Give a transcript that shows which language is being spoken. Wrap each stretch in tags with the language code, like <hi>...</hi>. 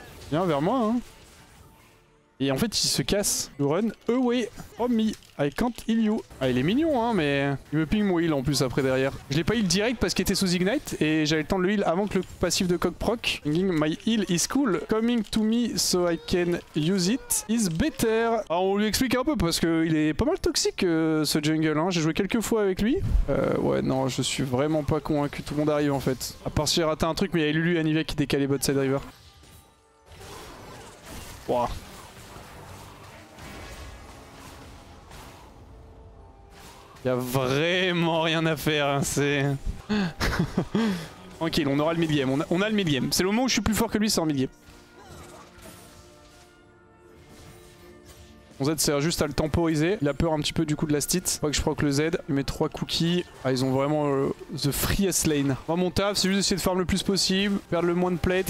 <fr>Viens vers moi, hein. Et en fait, il se casse.</fr> <en>Je run away from me. I can't heal you.</en> <fr>Ah, il est mignon, hein, mais... Il me ping mon heal, en plus, après, derrière. Je l'ai pas heal direct parce qu'il était sous Ignite. Et j'avais le temps de le heal avant que le passif de Kog proc.</fr> <en>Thinking my heal is cool. Coming to me so I can use it is better.</en> <fr>Alors, on lui explique un peu parce qu'il est pas mal toxique, ce jungle, hein. J'ai joué quelques fois avec lui. Ouais, non, je suis vraiment pas convaincu. Tout le monde arrive, en fait. À part si j'ai raté un truc, mais il y a Lulu et Anivia qui décalaient bot side river. Wow. Y'a vraiment rien à faire, hein, c'est... Tranquille, on aura le mid-game, on a le mid-game. C'est le moment où je suis plus fort que lui, c'est en mid-game. Mon Z sert juste à le temporiser. Il a peur un petit peu du coup de la stit. Faut que je proc le Z. Il met 3 cookies. Ah, ils ont vraiment</fr> <en>the freest lane.</en> <fr>Moi, mon taf, c'est juste d'essayer de farm le plus possible. Perdre le moins de plate.</fr>